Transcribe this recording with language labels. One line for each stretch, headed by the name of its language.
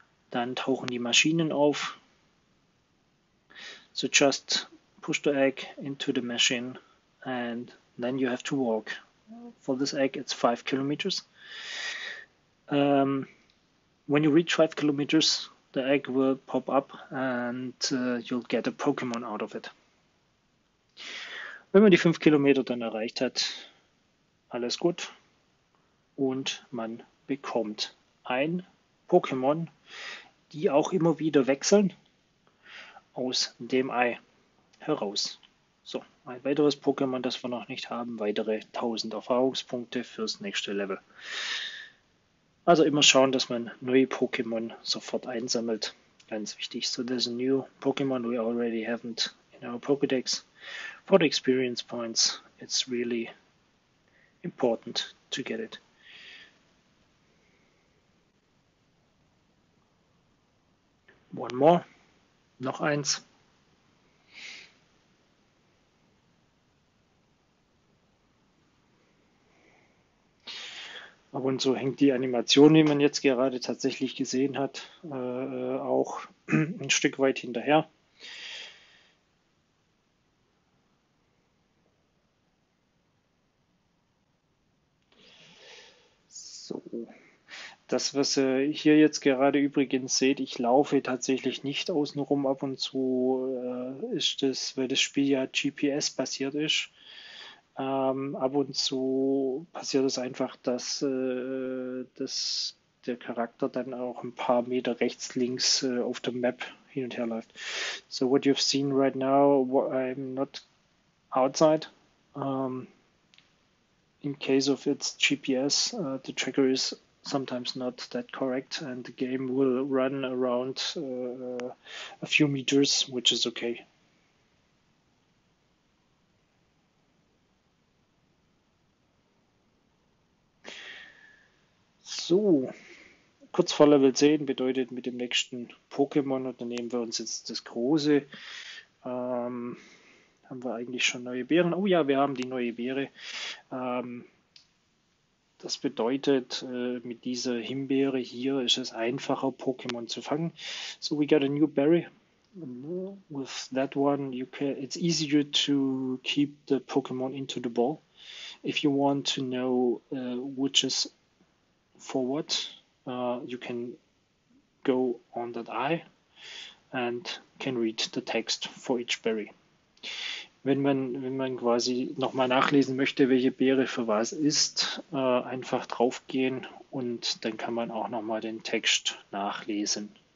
German: Dann tauchen die Maschinen auf.
English: So just push the egg into the machine and then you have to walk. For this egg, it's 5 kilometers. When you reach 5 kilometers, the egg will pop up and you'll get a Pokémon out of it.
German: Wenn man die 5 Kilometer dann erreicht hat, alles gut und man bekommt ein Pokémon, die auch immer wieder wechseln aus dem Ei heraus. So, ein weiteres Pokémon, das wir noch nicht haben. Weitere 1000 Erfahrungspunkte fürs nächste Level. Also immer schauen, dass man neue Pokémon sofort einsammelt. Ganz wichtig.
English: So, there's a new Pokémon we already haven't in our Pokédex. For the experience points, it's really important to get it. One more.
German: Noch eins. Ab und zu hängt die Animation, die man jetzt gerade tatsächlich gesehen hat, auch ein Stück weit hinterher. So. Das, was ihr hier jetzt gerade übrigens seht, ich laufe tatsächlich nicht außen rum ab und zu, ist das, weil das Spiel ja GPS-basiert ist. Ab und zu passiert es einfach, dass der Charakter dann auch ein paar Meter rechts, links auf der Map hin und her läuft.
English: So, what you've seen right now, I'm not outside. In case of its GPS, the tracker is sometimes not that correct and the game will run around a few meters, which is okay.
German: So, kurz vor Level 10 bedeutet mit dem nächsten Pokémon, und dann nehmen wir uns jetzt das große. Haben wir eigentlich schon neue Beeren? Oh ja, wir haben die neue Beere. Das bedeutet, mit dieser Himbeere hier ist es einfacher, Pokémon zu fangen.
English: So, we got a new berry. With that one, you can, it's easier to keep the Pokémon into the ball. If you want to know which is for what, you can go on that eye and can read the text for each berry.
German: Wenn man quasi nochmal nachlesen möchte, welche Beere für was ist, einfach drauf gehen und dann kann man auch nochmal den Text nachlesen.